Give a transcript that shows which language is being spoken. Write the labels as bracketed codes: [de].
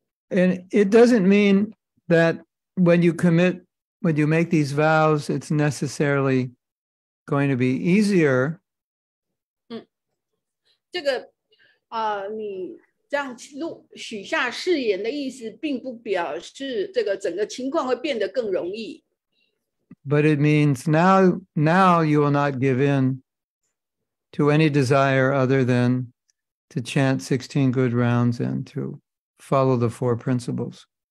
[en] And it doesn't mean that when you commit, when you make these vows, it's necessarily going to be easier. [zh] 这个，你这样许下誓言的意思，并不表示这个整个情况会变得更容易。 [en] But it means now you will not give in to any desire other than to chant 16 good rounds and to follow the four principles.